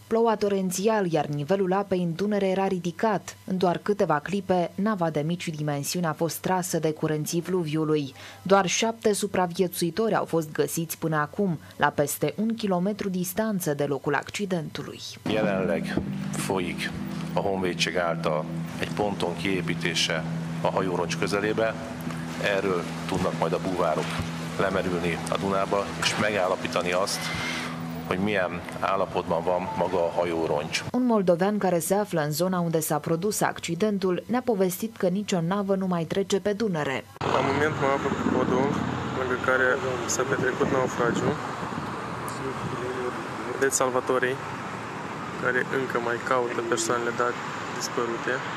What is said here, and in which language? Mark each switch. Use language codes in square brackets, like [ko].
[ro] Ploua torențial, iar nivelul apei în Dunăre era ridicat. În doar câteva clipe, nava de mici dimensiuni a fost trasă de curenții fluviului. Doar 7 supraviețuitori au fost găsiți până acum, la peste un kilometru distanță de locul accidentului. [hu] Jelenleg folyik a honvédség által egy ponton kiépítése a hajóroncs közelébe. Erről tudnak majd a búvárok lemerülni a Dunába, és megállapítani azt, hogy milyen állapotban van maga a hajóroncs. [ro] Un moldovean care se află în zona unde s-a produs accidentul ne-a povestit că nicio navă nu mai trece pe Dunăre. La moment mă află pe podul lângă care s-a petrecut naufragiu. Vedeți salvatorii care încă mai caută persoanele date dispărute.